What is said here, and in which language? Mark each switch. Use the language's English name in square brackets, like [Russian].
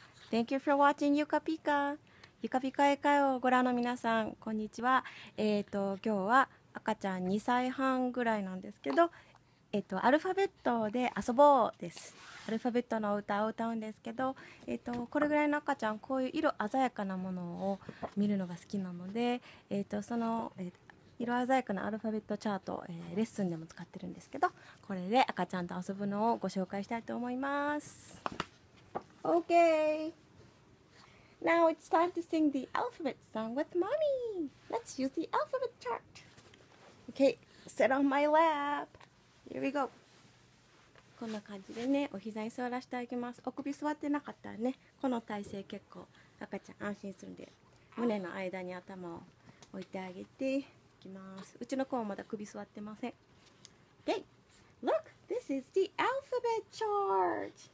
[English] Thank you for watching ゆかぴか。 [Japanese] ゆかぴか英会話をご覧の皆さん、こんにちは。今日は赤ちゃん2歳半ぐらいなんですけど、アルファベットで遊ぼうです。アルファベットの歌を歌うんですけど、これぐらいの赤ちゃん、こういう色鮮やかなものを見るのが好きなので、その、色鮮やかなアルファベットチャート、レッスンでも使ってるんですけど、これで赤ちゃんと遊ぶのをご紹介したいと思います。 [English] OK! Now it's time to sing the alphabet song with mommy! Let's use the alphabet chart! OK! Sit on my lap! Here we go! [Japanese] こんな感じでね、お膝に座らせてあげます。お首座ってなかったらね、この体勢結構赤ちゃん安心するんで、胸の間に頭を置いてあげて、うちの子はまだ首座ってません。 [English] Okay. Look, this is the alphabet chart.